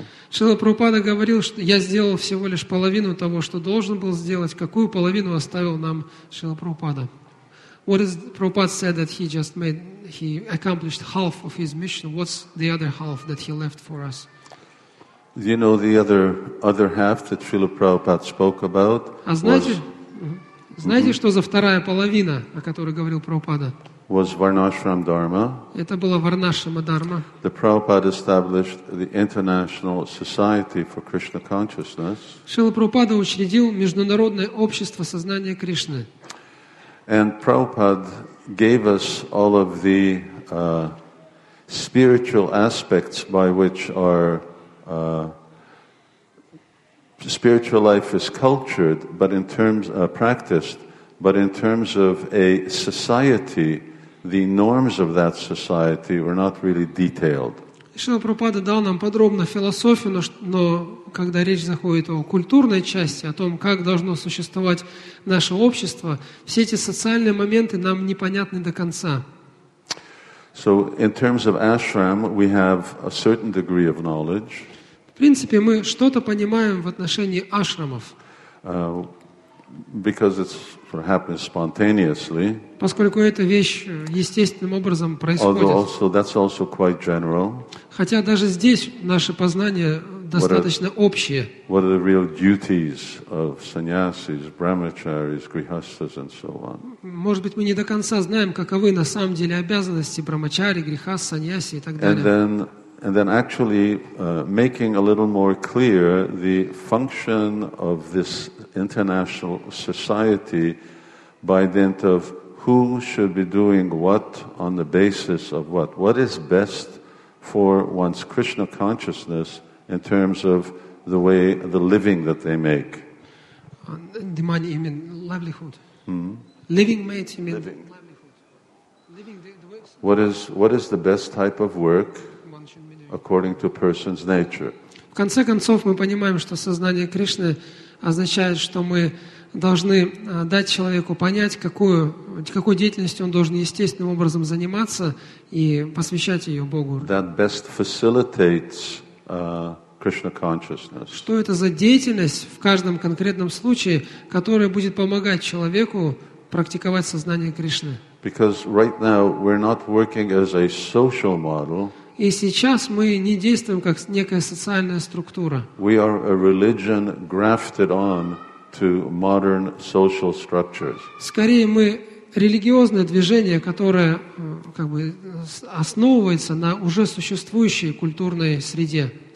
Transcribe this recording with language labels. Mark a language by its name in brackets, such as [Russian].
[Russian] Шрила Прабхупада говорил, что я сделал всего лишь половину того, что должен был сделать. Какую половину оставил нам Шрила Прабхупада? [English] What is Prabhupada said that he just made, he accomplished half of his mission. What's the other half that he left for us? You know the other half that Srila Prabhupada spoke about? [Russian] Знаете, что за вторая половина, о которой говорил Прабхупада? [English] Was Varnashram Dharma. [Russian] Это была Варнашрама Дхарма. [English] The Prabhupada established the International Society for Krishna Consciousness. [Russian] Шрила Прабхупада учредил Международное общество сознания Кришны. [English] And Prabhupada gave us all of the spiritual aspects by which our spiritual life is cultured, but in terms of practiced, but in terms of a society, the norms of that society were not really detailed. [Russian] Шрила Прабхупада дал нам подробно философию, но когда речь заходит о культурной части, о том, как должно существовать наше общество, все эти социальные моменты нам непонятны до конца. [English] So in terms of ashram, we have a certain degree of knowledge. [Russian] В принципе, мы что-то понимаем в отношении ашрамов. [English] Because it's happens spontaneously. [Russian] Поскольку эта вещь естественным образом происходит. Although also, that's also quite general. Хотя даже здесь наши познания достаточно общие. [English] What are the real duties of sannyasis, brahmacharis, grihasthas, and so on? [Russian] Может быть, мы не до конца знаем, каковы на самом деле обязанности брахмачари, грихас, саньяси и так далее. [English] And then actually making a little more clear the function of this international society by dint of who should be doing what on the basis of what. What is best for one's Krishna consciousness in terms of the way, the living that they make? The money, you mean livelihood? Hmm? Living mate, you mean living. Livelihood. Living the what is the best type of work according to person's nature? [Russian] В конце концов, мы понимаем, что сознание Кришны означает, что мы должны дать человеку понять, какой деятельностью он должен естественным образом заниматься и посвящать ее Богу. [English] That best facilitates Krishna consciousness. [Russian] Что это за деятельность в каждом конкретном случае, которая будет помогать человеку практиковать сознание Кришны? [English] Because right now we're not working as a social model. [Russian] И сейчас мы не действуем как некая социальная структура. [English] We are a religion grafted on to modern social structures. [Russian] Скорее, мы религиозное движение, которое как бы основывается на уже существующей культурной среде,